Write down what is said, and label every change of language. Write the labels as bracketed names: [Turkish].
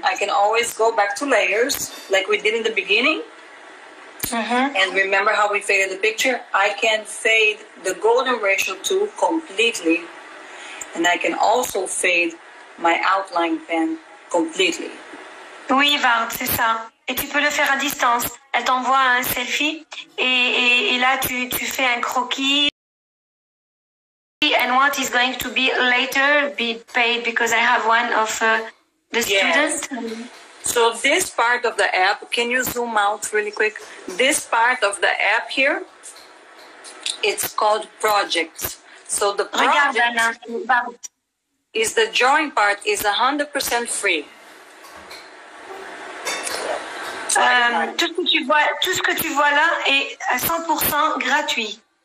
[English] I can always go back to layers like we did in the beginning. Mm-hmm. And remember how we faded the picture? I can fade the golden ratio too completely. And I can also fade my outline pen completely. [French] Oui, Vard, c'est ça. Et tu peux le faire à distance. Elle t'envoie un selfie et là tu fais un croquis. [English] And what is going to be later be paid because I have one of the students. Yes. So this part of the app, can you zoom out really quick? This part of the app here, it's called projects. So the project is the drawing part is 100% free. [French] Tout ce que tu vois là est à 100% gratuit.